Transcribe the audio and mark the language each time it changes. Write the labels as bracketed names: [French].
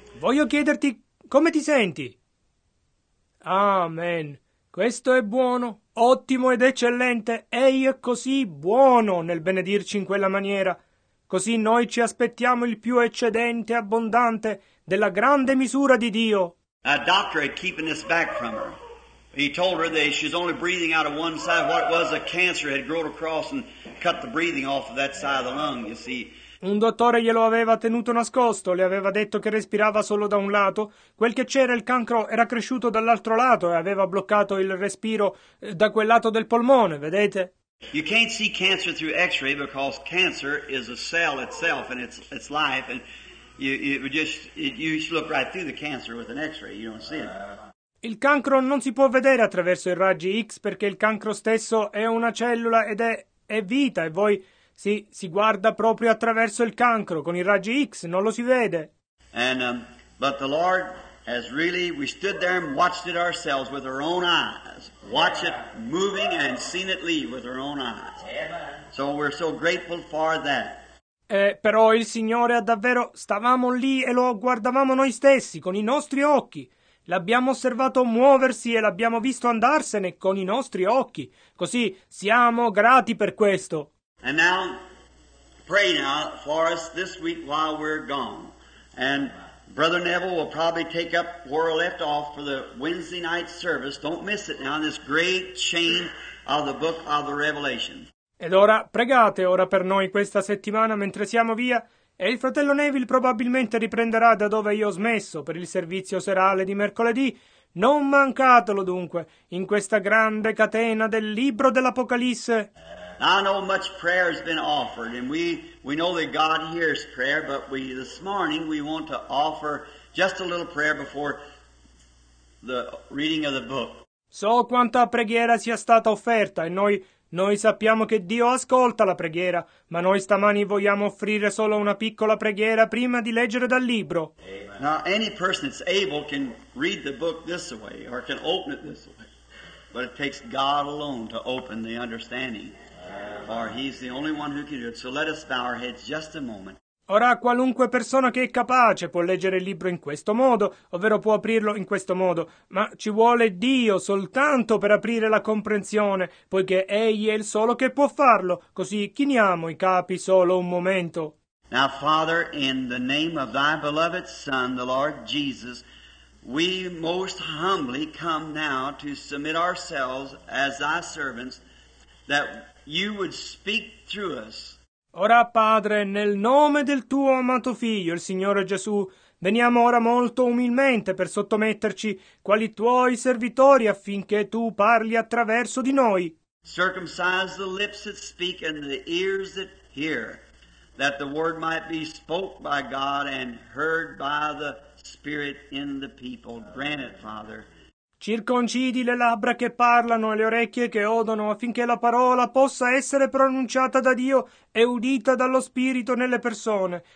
[Italian] Voglio chiederti come ti senti. Amen. Questo è buono, ottimo ed eccellente. Ehi, è così buono nel benedirci in quella maniera. Così noi ci aspettiamo il più eccedente, abbondante della grande misura di Dio. [English] A doctor is keeping this back from her. He told her that she was only breathing out of one side. What was a cancer had grown across and cut the breathing off of that side of the lung, you see. [Italian] Un dottore glielo aveva tenuto nascosto, le aveva detto che respirava solo da un lato. Quel che c'era, il cancro, era cresciuto dall'altro lato e aveva bloccato il respiro da quel lato del polmone, vedete? [English] You can't see cancer through x-ray because cancer is a cell itself and it's life. And you just look right through the cancer with an x-ray, you don't see it. [Italian] Il cancro non si può vedere attraverso i raggi X perché il cancro stesso è una cellula ed è vita e voi si guarda proprio attraverso il cancro con i raggi X, non lo si vede. [English] And but the Lord has really, we stood there and watched it ourselves with our own eyes. Watch it moving and seen it leave with our own eyes. So we're so grateful for that. [Italian] Però il Signore ha davvero, stavamo lì e lo guardavamo noi stessi con i nostri occhi. L'abbiamo osservato muoversi e l'abbiamo visto andarsene con i nostri occhi. Così siamo grati per questo. [English] And now, pray now for us this week while we're gone. And Brother Neville will probably take up where we left off for the Wednesday night service. Don't miss it now, this great chain of the book of the Revelation. [Italian] Ed ora pregate ora per noi questa settimana mentre siamo via. E il fratello Neville probabilmente riprenderà da dove io ho smesso per il servizio serale di mercoledì. Non mancatelo dunque in questa grande catena del libro dell'Apocalisse. [English] I know much prayer has been offered and we know that God hears prayer, but we this morning we want to offer just a little prayer before the reading of the book. [Italian] So quanta preghiera sia stata offerta e noi sappiamo che Dio ascolta la preghiera, ma noi stamani vogliamo offrire solo una piccola preghiera prima di leggere dal libro. [English] Now any person that's able can read the book this way or can open it this way, but it takes God alone to open the understanding, for He's the only one who can do it. So let us bow our heads just a moment. [Italian] Ora qualunque persona che è capace può leggere il libro in questo modo, ovvero può aprirlo in questo modo, ma ci vuole Dio soltanto per aprire la comprensione, poiché Egli è il solo che può farlo, così chiniamo i capi solo un momento. [English] Now, Father, in the name of thy beloved Son, the Lord Jesus, we most humbly come now to submit ourselves as thy servants, that you would speak through us. [Italian] Ora, Padre, nel nome del tuo amato Figlio, il Signore Gesù, veniamo ora molto umilmente per sottometterci quali tuoi servitori affinché tu parli attraverso di noi. [English] Circumcise the lips that speak and the ears that hear, that the word might be spoke by God and heard by the Spirit in the people. Grant it, Father. [Italian] Circoncidi le labbra che parlano e le orecchie che odono affinché la parola possa essere pronunciata da Dio e udita dallo Spirito nelle persone.